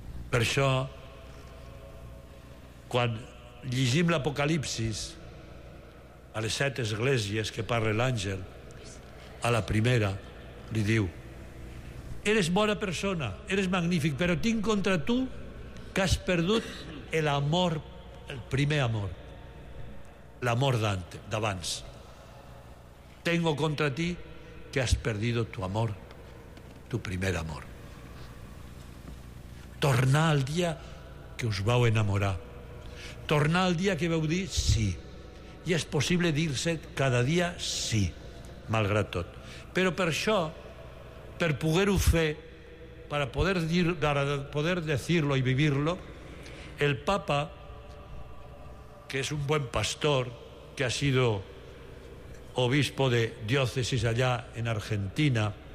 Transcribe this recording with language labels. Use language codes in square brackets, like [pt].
[ca] Per això, quan llegim l'Apocalipsis a les 7 esglésies que parla l'àngel, a la primera li diu: eres bona persona, eres magnífic, però tinc contra tu que has perdut l'amor, el primer amor, l'amor d'abans. [es] Tengo contra ti que has perdido tu amor, tu primer amor. [ca] Tornar al dia que us vau enamorar. Tornar al dia que vau dir sí. I és possible dir-se cada dia sí, malgrat tot. Però per això, per poder-ho fer, per poder dir-lo i [es] vivir-lo, [ca] el Papa, que és un bon pastor, [es] que ha sido obispo de diócesis allà [ca] en Argentina,